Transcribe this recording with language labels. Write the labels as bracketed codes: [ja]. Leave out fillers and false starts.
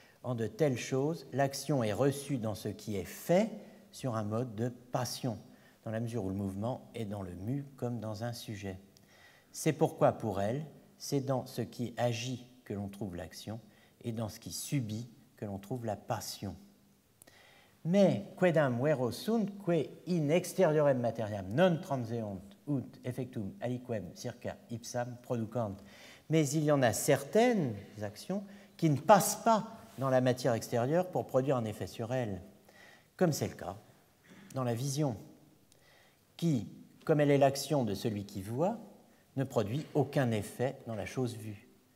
[fr] En de telles choses, l'action est reçue dans ce qui est fait sur un mode de passion, dans la mesure où le mouvement est dans le mu comme dans un sujet. C'est pourquoi pour elle, c'est dans ce qui agit que l'on trouve l'action et dans ce qui subit que l'on trouve la passion. [la] Mais quaedam vero sunt, quae in exteriorem materiam non transeunt ut effectum aliquem circa ipsam producant. [fr] Mais il y en a certaines actions qui ne passent pas dans la matière extérieure pour produire un effet sur elle, comme c'est le cas dans la vision, qui, comme elle est l'action de celui qui voit, ne produit aucun effet dans la chose vue.